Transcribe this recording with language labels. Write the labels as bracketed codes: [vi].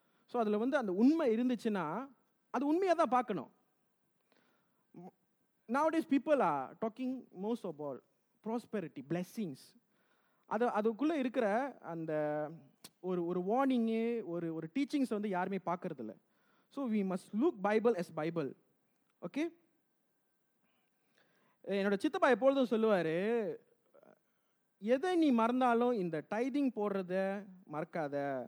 [ta] So அதில் வந்து அந்த உண்மை இருந்துச்சுன்னா அது உண்மையாக தான் பார்க்கணும். [en] Nowadays, people are talking most about prosperity, blessings. [ta] அதுக்குள்ளே இருக்கிற அந்த ஒரு ஒரு வார்னிங்கு, ஒரு ஒரு டீச்சிங்ஸ் வந்து யாருமே பார்க்கறதில்ல. [en] So, we must look Bible as Bible. Okay? [ta] என்னோட சித்தப்பா எப்பொழுதும் சொல்லுவார், எதை நீ மறந்தாலும் இந்த டைதிங் போடுறத மறக்காத.